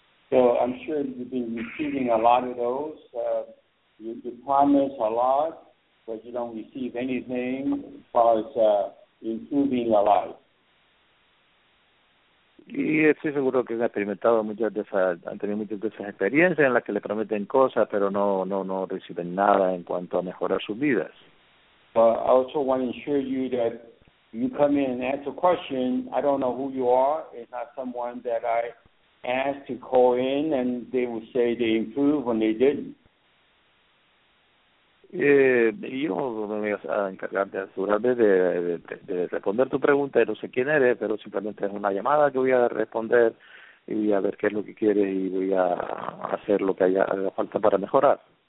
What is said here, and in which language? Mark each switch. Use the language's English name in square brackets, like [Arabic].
[English] So I'm sure you've been receiving a lot of those. You promise a lot, but you don't receive anything as far as improving your life. [Spanish] Y estoy seguro que han experimentado muchas de esas, han tenido muchas de esas experiencias en las que le prometen cosas, pero no reciben nada en cuanto a mejorar sus vidas. [English] But I also want to assure you that you come in and answer questions. I don't know who you are. It's not someone that I asked to call in, and they would say they improved when they didn't. [Spanish] Yo me voy a encargar de asegurarme de responder tu pregunta. No sé quién eres, pero simplemente es una llamada que voy a responder y voy a ver qué es lo que quieres y voy a hacer lo que haga falta para mejorar.